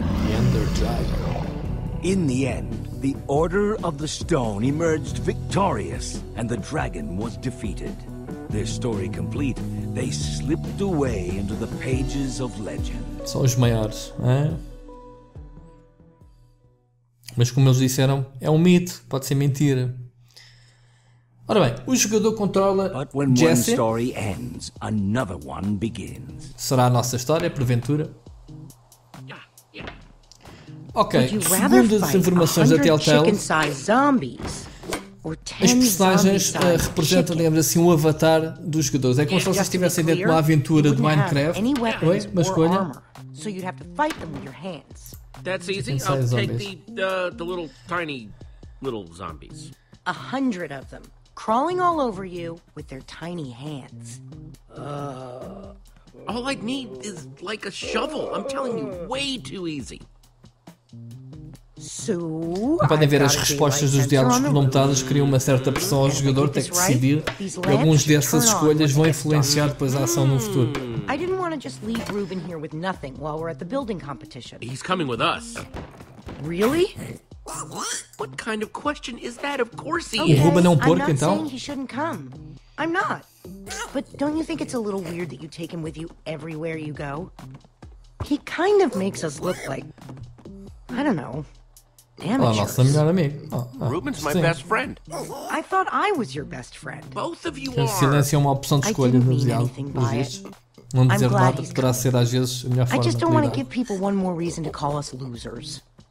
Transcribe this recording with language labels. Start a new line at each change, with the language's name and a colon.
English: The Ender Dragon. In the end, the Order of the Stone emerged victorious, and the dragon was defeated. Their story complete, they slipped away into the pages of legend.
Portuguese: São os maiores, é? Mas como eles disseram, é um mito, pode ser mentira. Ora bem, o jogador controla
English: But when Jesse. One story ends, another one begins.
Portuguese: Será a nossa história, porventura? Ok, segundo as informações da Telltale, as personagens representam, lembra-se, assim, um avatar dos jogadores. É como se vocês estivessem dentro de uma aventura de Minecraft. Oi? Uma escolha?
English: So you'd have to fight them with your hands. That's easy. I'll take the little tiny little zombies. 100 of them crawling all over you with their tiny hands. All I'd need is like a shovel. I'm telling you, way too easy. So,
Portuguese: podem ver as respostas dos diálogos cronometrados, criam uma certa pressão ao jogador, tem que decidir, e algumas dessas escolhas vão influenciar depois a ação no futuro.
English: I didn't want to just leave Ruben here with nothing while we're at the building competition. He's coming with us. Really? What kind of question is that? Of course he
Portuguese: is. Ruben é um porco, então?
English: He shouldn't come. I'm not. But don't you think it's a little weird that you take him with you everywhere you go? He kind of makes us look like, I don't know, damage. Oh,
Portuguese: nosso melhor amigo.
English: Ruben's my best friend. I thought I was your best friend. Both of you are.
Portuguese: O silêncio é uma opção de escolha, demasiado. Não dizer nada poderá ser às vezes a melhor forma.
English: I just don't want to give people one more reason to call us losers.